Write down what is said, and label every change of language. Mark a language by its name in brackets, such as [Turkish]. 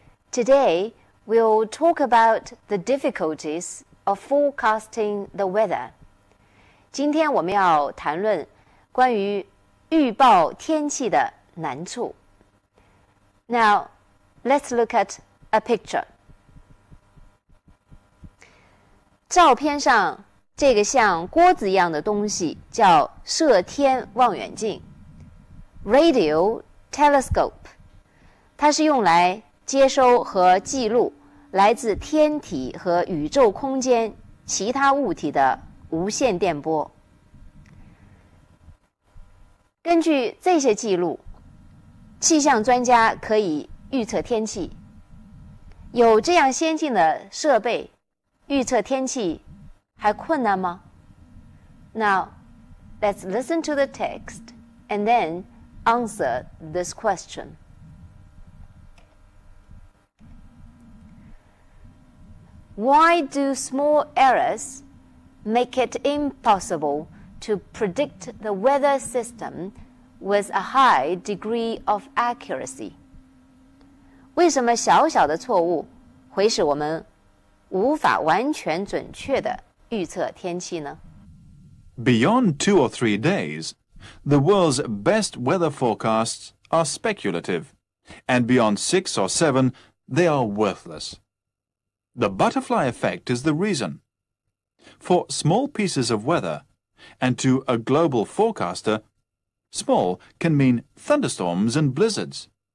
[English] Today, we'll talk about the difficulties of forecasting the weather. [Chinese] 今天我们要谈论关于预报天气的难处。 [English] Now, let's look at a picture. [Chinese] 照片上这个像锅子一样的东西叫射天望远镜 , [English] radio telescope, [Chinese] 它是用来接收和记录来自天体和宇宙空间其他物体的无线电波。根据这些记录，气象专家可以预测天气。有这样先进的设备，预测天气还困难吗？ [English] Now, let's listen to the text and then answer this question. Why do small errors make it impossible to predict the weather system with a high degree of accuracy? [Chinese] 为什么小小的错误会使我们无法完全准确的预测天气呢？ [English] Beyond 2 or 3 days, the world's best weather forecasts are speculative, and beyond 6 or 7, they are worthless. The butterfly effect is the reason. For small pieces of weather, and to a global forecaster, small can mean thunderstorms and blizzards.